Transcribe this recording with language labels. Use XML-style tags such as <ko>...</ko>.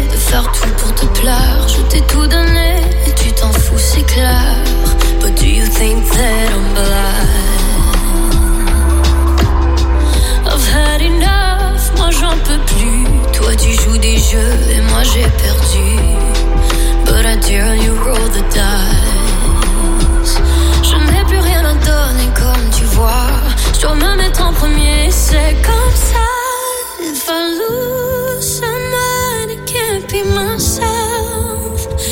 <fr>Faire tout pour te plaire, je t'ai tout donné et tu t'en fous, c'est clair.</fr> <en>But do you think that I'm blind? I've had enough,</en> <fr>moi j'en peux plus. Toi tu joues des jeux et moi j'ai perdu.</fr> <en>But I dare you roll the dice.</en> <fr>Je n'ai plus rien à donner comme tu vois. Je dois me mettre en premier, c'est comme ça.</fr> <en>If I lose someone, it can't be myself.</en>